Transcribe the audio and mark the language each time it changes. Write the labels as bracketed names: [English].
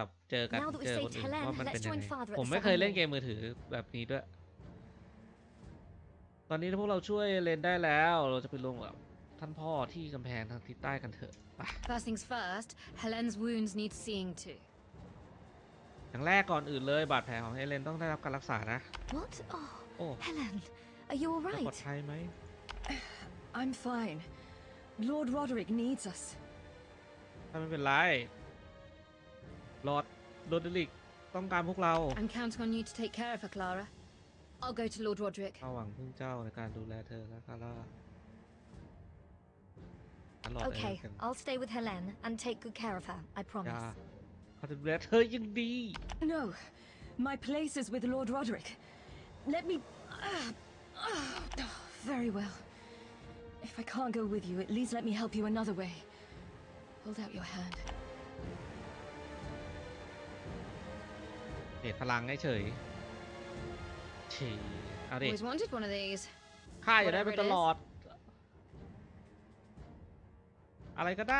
[Thai] เจอกันเจอคนอื่นว่ามันเป็นยังไงผมไม่เคยเล่นเกมมือถือแบบนี้ด้วยตอนนี้ถ้าพวกเราช่วยเล่นได้แล้วเราจะไปลงแบบท่านพ่อที่กำแพงทางทิศใต้กันเถอะป่ะ [English] First things first, Helene's wounds need seeing to. [Thai] อย่างแรกก่อนอื่นเลยบาดแผลของเฮเลนต้องได้รับการรักษานะ [English] What? Oh, Helene, are you all right? [Thai] ปลอดภัยไหม [English] I'm fine. Lord Roderick needs us. [Thai] ไม่เป็นไร Lord Roderick ต้องการพวกเรา [English] I'm counting on you to take care of her, Clara. I'll go to Lord Roderick. [Thai] หวังพึ่งเจ้าในการดูแลเธอนะคาร่า ลอด [English] Okay, I'll stay with Helene and take good care of her. I promise. [Thai] เขาจะดูแลเธออย่างดี [English] No, my place is with Lord Roderick. Let me. Very well. If I can't go with you, at least let me help you another way. Hold out your hand. [Thai] เดชพลังให้เฉยเฉยเอาดิ [English] Always wanted one of these. [Thai] ข้าอยากได้มันตลอดอะไรก็ได